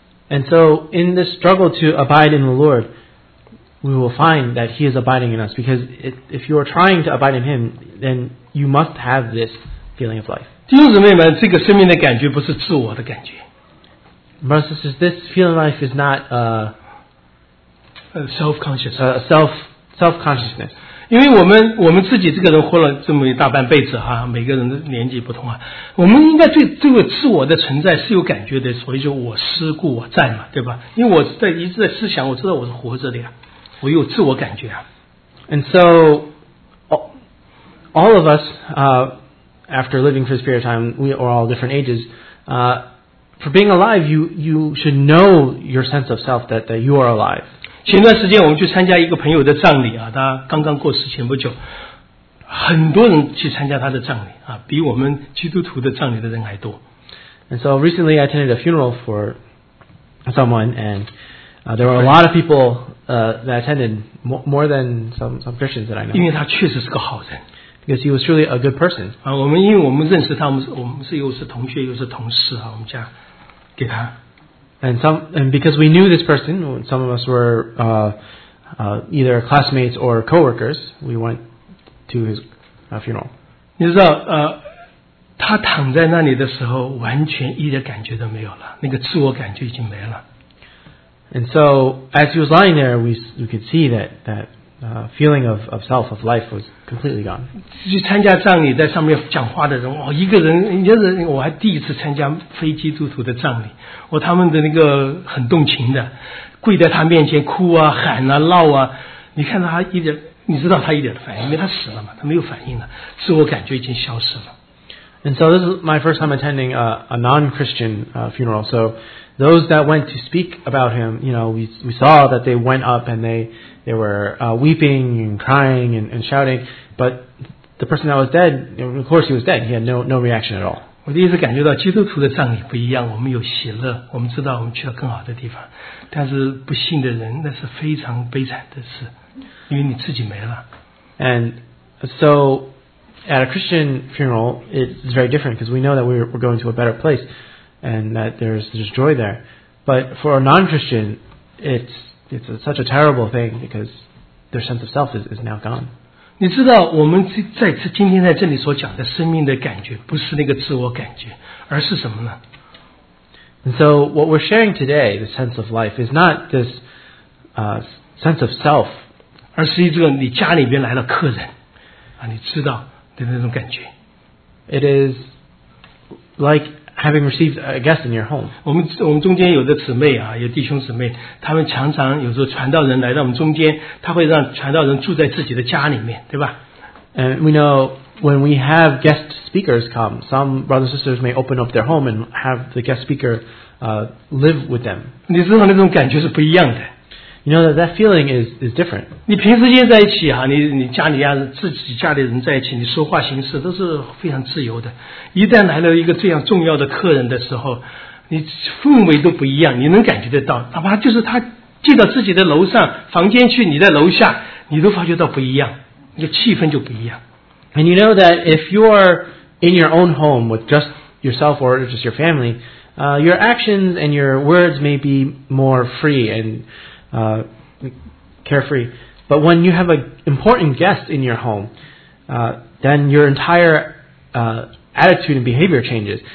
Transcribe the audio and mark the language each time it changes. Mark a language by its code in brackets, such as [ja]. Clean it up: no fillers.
[en] And so in this struggle to abide in the Lord. We will find that He is abiding in us because if you are trying to abide in Him, then you must have this feeling of life. [zh] 弟兄姊妹们，这个生命的感觉不是自我的感觉。 [en] Brothers and sisters, this feeling of life is not a self-consciousness. [zh] 因为我们自己这个人活了这么大半辈子哈，每个人的年纪不同啊，我们应该对这个自我的存在是有感觉的，所以就我思故我在嘛，对吧？因为我在一直在思想，我知道我是活着的呀。我有自我感觉啊。 [en] And so, all of us, after living for this period of time, we are all different ages, for being alive, you should know your sense of self that you are alive. [zh] 前段时间我们去参加一个朋友的葬礼啊，他刚刚过世前不久，很多人去参加他的葬礼啊，比我们基督徒的葬礼的人还多。 [en] And so recently I attended a funeral for someone and there were a lot of people that attended, more than some Christians that I know. [zh] 因为他确实是个好人。 [en] Because he was truly a good person. [zh] 我们因为我们认识他，我们是又是同学又是同事啊，我们家给他。 [en] And because we knew this person, some of us were either classmates or coworkers, we went to his funeral. [zh] 你知道他躺在那里的时候，完全一点感觉都没有了，那个自我感觉已经没了。 [en] And so, as he was lying there, we could see that feeling of self, of life was completely gone. [zh] 去参加葬礼在上面讲话的人，哦，一个人，一个人，我还第一次参加非基督徒的葬礼，我他们的那个很动情的，跪在他面前哭啊，喊啊，闹啊，你看到他一点，你知道他一点的反应，因为他死了嘛，他没有反应了，自我感觉已经消失了。 [en] And so this is my first time attending a non-Christian funeral, so,Those that went to speak about him, you know, we saw that they went up and they were weeping and crying and shouting. But the person that was dead, of course, he was dead. He had no reaction at all. [zh] 我第一次感觉到基督徒的葬礼不一样。我们有喜乐，我们知道我们去了更好的地方。但是不幸的人，那是非常悲惨的事，因为你自己没了。 [en] And so, at a Christian funeral, it's very different because we know that we're going to a better place. And that there's joy there, but for a non-Christian, it's such a terrible thing because their sense of self is now gone. [zh] 你知道我们在今天在这里所讲的生命的感觉，不是那个自我感觉，而是什么呢？ [en] And so what we're sharing today, the sense of life, is not this sense of self, [zh] 而是一个你家里边来了客人啊，你知道的那种感觉。 [en] It is like. Having received a guest in your home. [zh] 我们中间有的姊妹啊，有弟兄姊妹，他们常常有时候传道人来到我们中间，他会让传道人住在自己的家里面，对吧？ [en] And we know when we have guest speakers come, some brothers and sisters may open up their home and have the guest speaker live with them. [zh] 你知道那种感觉是不一样的。 [en] You know that feeling is different. [zh] 你平时间在一起啊，你家里啊，自己家里人在一起，你说话行事都是非常自由的。一旦来了一个这样重要的客人的时候，你氛围都不一样，你能感觉得到。哪怕就是他进到自己的楼上房间去，你在楼下，你都发觉到不一样，那个气氛就不一样。 [en] And you know that if you are in your own home with just yourself or just your family, your actions and your words may be more free and carefree, but when you have an important guest in your home, then your entire attitude and behavior changes.